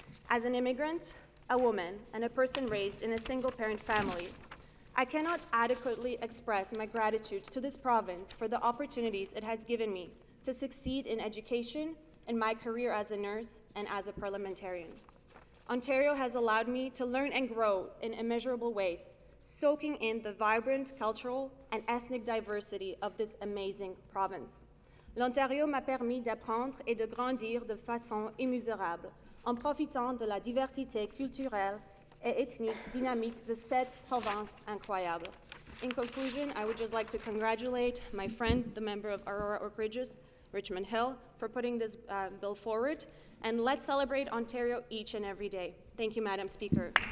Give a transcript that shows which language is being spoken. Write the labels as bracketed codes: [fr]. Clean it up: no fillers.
[en] As an immigrant, a woman, and a person raised in a single-parent family, I cannot adequately express my gratitude to this province for the opportunities it has given me to succeed in education, in my career as a nurse, and as a parliamentarian. Ontario has allowed me to learn and grow in immeasurable ways, soaking in the vibrant cultural and ethnic diversity of this amazing province. [fr] L'Ontario m'a permis d'apprendre et de grandir de façon immesurable, en profitant de la diversité culturelle et ethnique dynamique de cette province incroyable. [en] In conclusion, I would just like to congratulate my friend, the member of Aurora Oak Ridges, Richmond Hill, for putting this bill forward. And let's celebrate Ontario each and every day. Thank you, Madam Speaker.